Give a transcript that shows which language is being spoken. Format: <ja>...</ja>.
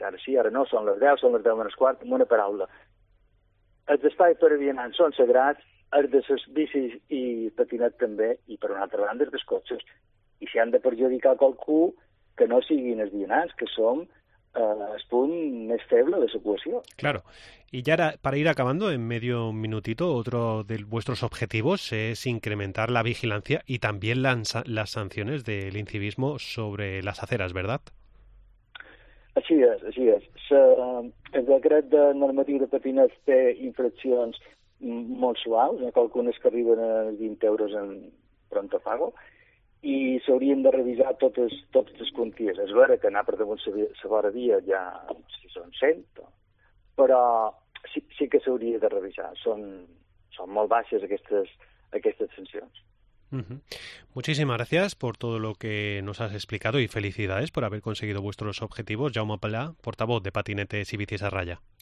<ca>Ara sí, ara no, són les 10, són les 10 menys quart, amb una paraula. Els espais per a vianants són sagrats, els de les bicis i patinet també, i per una altra banda, els dels cotxes. I si han de perjudicar qualcú, que no siguin els vianants, que som el punt més feble de l'equació.</ca> <es>Claro. Y ya para ir acabando, en medio minutito, otro de vuestros objetivos es incrementar la vigilancia y también las sanciones del incivismo sobre las aceras, ¿verdad? Así es, así es.</es> <ca>El decret de normativa de patinets té infraccions molt suaus, algunes que arriben a 20 euros en pronto pago, i s'haurien de revisar totes les quanties. És vera que anar per damunt la vora via ja si són 100, però sí que s'hauria de revisar. Són molt baixes aquestes sancions. Uh-huh.</ca> <es>Muchísimas gracias por todo lo que nos has explicado y felicidades por haber conseguido vuestros objetivos. Jaume Palà, portavoz de Patinetes y Bicis a Raya.</es>